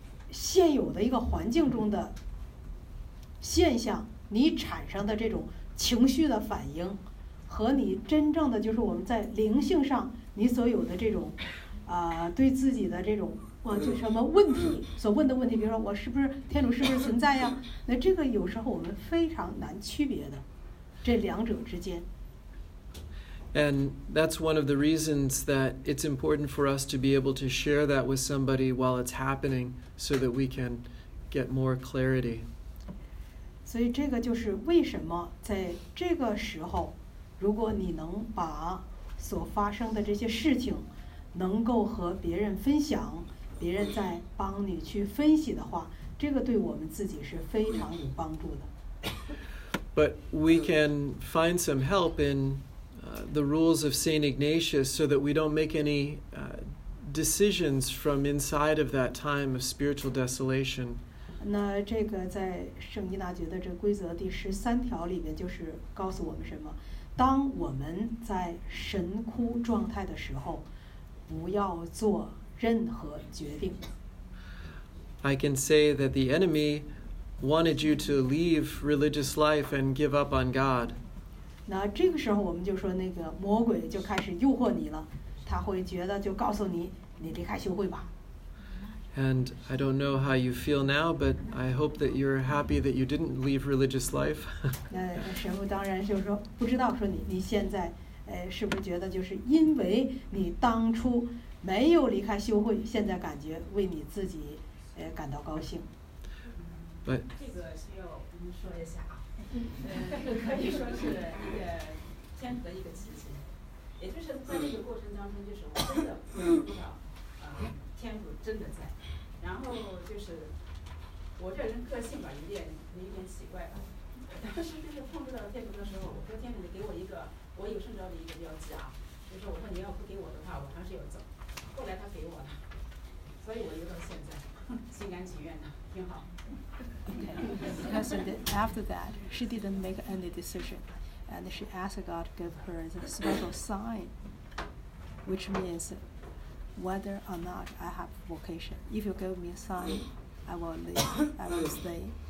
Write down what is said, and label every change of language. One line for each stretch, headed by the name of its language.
Chinese: 现有的一个环境中的现象，你产生的这种情绪的反应，和你真正的就是我们在灵性上你所有的这种对自己的这种就什么问题所问的问题，比如说我是不是天主，是不是存在呀，那这个有时候我们非常难区别的这两者之间。
English: And that's one of the reasons that it's important for us to be able to share that with somebody while it's happening so that we can get more clarity.
Chinese: 所以这个就是为什么在这个时候，如果你能把所发生的这些事情能够和别人分享，别人在帮你去分析的话，这个对我们自己是非常有帮助的。
English: But we can find some help in the rules of St. Ignatius so that we don't make any decisions from inside of that time of spiritual desolation.
Chinese: 那这个在圣依纳爵的这规则第十三条里面就是告诉我们什么？当我们在神哭状态的时候，不要做任何决定。
English: I can say that the enemy wanted you to leave religious life and give up on God.
Chinese: 那这个时候我们就说那个魔鬼就开始诱惑你了，他会觉得就告诉你，你离开修会吧。
English: And I don't know how you feel now, but I hope that you're happy that you didn't leave religious life.
Chinese: 那神父当然就是说不知道说你现在是不是觉得就是因为你当初没有离开修会，现在感觉为你自己感到高兴。
English: But,
Chinese: 这个需要我们说一下啊，可以说是一个天主的一个奇迹，也就是在这个过程当中，就是我真的不知道天主真的在。然后就是我这人个性吧，有点奇怪吧。当时就是碰不到天主的时候，我说天主你给我一个我有圣召的一个标记啊，就是我说你要不给我的话，我还是要走。后来他给我了，所以我留到现在，心甘情愿的，挺好。
English: Okay. So after that, she didn't make any decision, and she asked God to give her a special sign, which means whether or not I have vocation. If you give me a sign, I will leave. I will stay.